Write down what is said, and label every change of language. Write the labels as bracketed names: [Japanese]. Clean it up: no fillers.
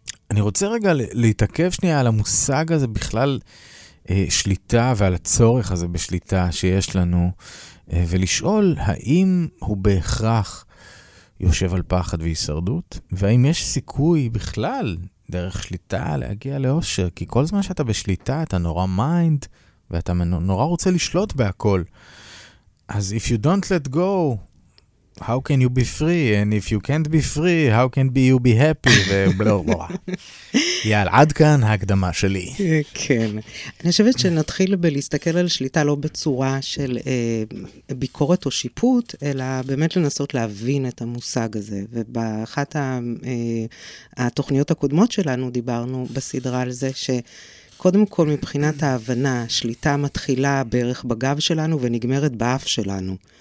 [Hebrew] אני רוצה רגע להתעכב שנייה על המושג הזה בכלל, שליטה ועל הצורך הזה בשליטה שיש לנו, ולשאול האם הוא בהכרח יושב על פחד והישרדות, והאם יש סיכוי בכלל דרך שליטה להגיע לאושר, כי כל זמן שאתה בשליטה, אתה נורא מיינד, ואתה נורא רוצה לשלוט בהכל. [English] אז if you don't let go, how can you be free? And if you can't be free, how can you be happy? [Hebrew] ובלורה. יאללה, עד כאן ההקדמה שלי. כן. אני חושבת שנתחיל בלהסתכל על שליטה לא בצורה של ביקורת או שיפוט, אלא באמת לנסות להבין את המושג הזה. ובאחת התוכניות הקודמות שלנו דיברנו בסדרה על זה ש קודם כל, מבחינת ההבנה, שליטה מתחילה בערך בגב שלנו ונגמרת באף שלנו.